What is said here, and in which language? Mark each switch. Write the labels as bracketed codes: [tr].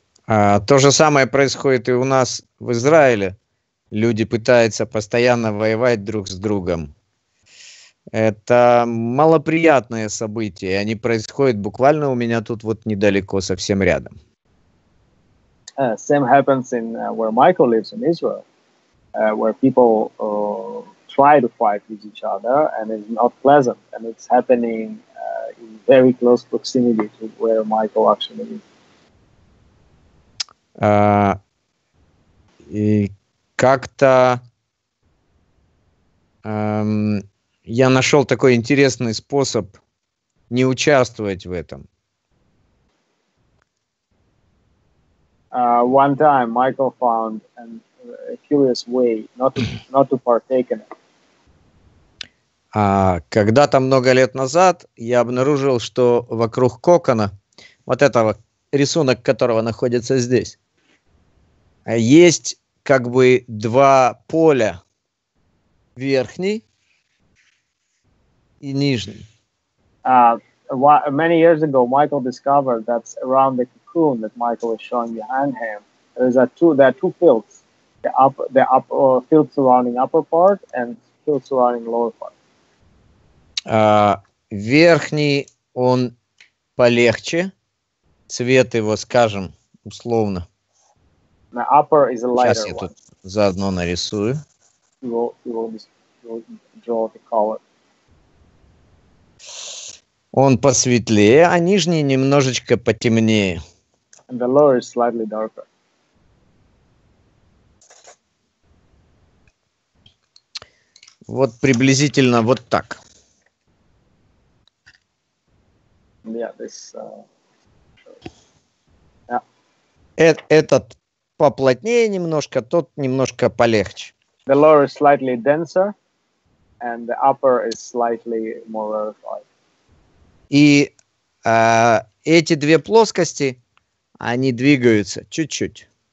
[ru] То же самое происходит и у нас в Израиле. Люди пытаются постоянно воевать друг с другом. Это малоприятные события. Они происходят буквально у меня тут вот недалеко, совсем рядом. [en] Same happens in where Michael lives in Israel, where people try to fight with each other, and it's not pleasant. And it's happening in very close proximity to where Michael actually is. [ru] И как-то я нашел такой интересный способ не участвовать в этом. [en] One time Michael found a curious way not to partake in it. [ru] Когда-то много лет назад я обнаружил, что вокруг кокона, вот этого рисунок которого находится здесь, есть как бы два поля, верхний и нижний. [en] Many years ago, Michael discovered that around the cocoon that Michael is showing behind him, there are two fields, the upper field surrounding upper part and field surrounding lower part. [ru] Верхний, он полегче, цвет его, скажем, условно. [en] The upper is a lighter one. [ru] Сейчас я тут заодно нарисую. [en] You will draw the color. [ru] Он посветлее, а нижний немножечко потемнее. [en] And the lower is slightly darker. [ru] Вот приблизительно вот так. [en] Yeah, this. [ru] Этот поплотнее немножко, тот немножко полегче. [en] The lower is slightly denser, and the upper is slightly more rarefied. [ru] И эти две плоскости, они двигаются чуть-чуть.